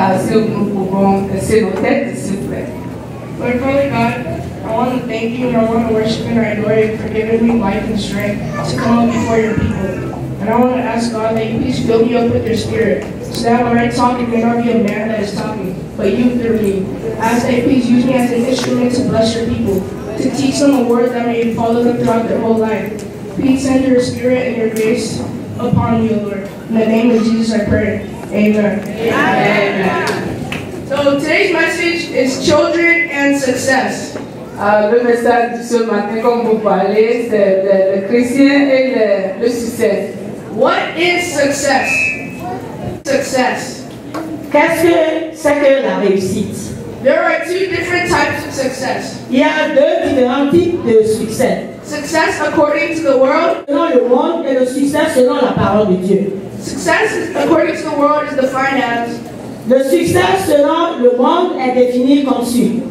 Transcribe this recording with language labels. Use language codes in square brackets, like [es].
[fr] Alors, si nous pouvons baisser nos têtes, s'il vous plaît. [en] Lord Father God, I want to thank you and I want to worship and adore you for giving me life and strength to come up before your people. And I want to ask God that you please fill me up with your spirit so that when I talk, it may not be a man that is talking, but you through me. I ask that you please use me as an instrument to bless your people, to teach them a word that may follow them throughout their whole life. Please send your spirit and your grace upon me, Lord. In the name of Jesus, I pray. Amen. Amen. So today's message is children and success. [fr] Le message de ce matin, comme vous parlez, c'est le chrétien et le succès. [en] What is success? Success. [fr] Qu'est-ce que c'est que la réussite? [en] There are two different types of success. [fr] Il y a deux différents types de succès. [en] Success according to the world. [fr] Selon le monde et le succès selon la parole de Dieu. [en] Success according to the world is defined as. [fr] Le succès selon le monde est défini comme suit.